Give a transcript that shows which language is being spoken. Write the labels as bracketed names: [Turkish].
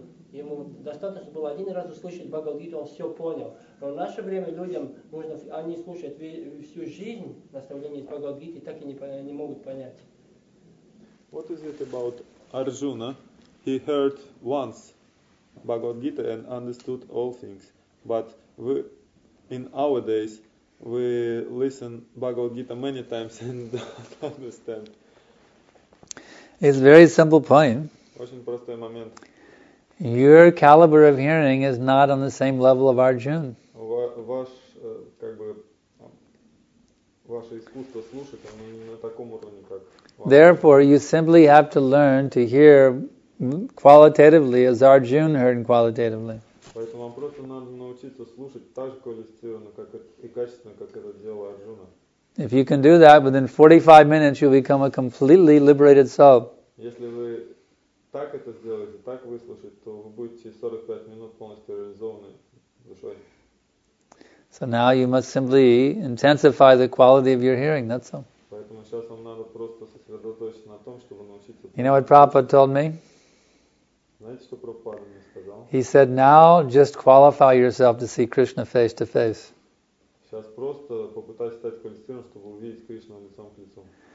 [Russian] Ему достаточно было один раз услышать Бхагавад-гиту, он все понял. Но в наше время людям нужно, они слушают всю жизнь наставления из Бхагавад-гиты, так и не могут понять. [English] What is it about Arjuna? He heard once Bhagavad-gita and understood all things. But we, in our days, we listen Bhagavad-gita many times and don't understand. It's a very simple point. [Russian] Очень простой момент. [English] Your caliber of hearing is not on the same level of Arjuna. [Russian] Ваш, как бы, ваше искусство слушать, оно не на таком уровне, как ваш. [English] Therefore, you simply have to learn to hear qualitatively as Arjuna heard qualitatively. [Russian] Поэтому вам просто надо научиться слушать так же квалифицированно и качественно, как это делал Арджуна. [English] If you can do that, within 45 minutes you'll become a completely liberated soul. [Russian] Если вы так это сделаете, так выслушать, то вы будете 45 минут полностью реализованы душой. [English] So now you must simply intensify the quality of your hearing, that's all. [Russian] Поэтому сейчас вам надо просто сосредоточиться на том, чтобы научиться. [English] You know what Prabhupada told me? [Russian] Знаете, что Прабхупада мне сказал? [English] He said, now just qualify yourself to see Krishna face to face. [Russian] Сейчас просто попытайтесь стать квалифицированным, чтобы увидеть Кришну лицом к лицу.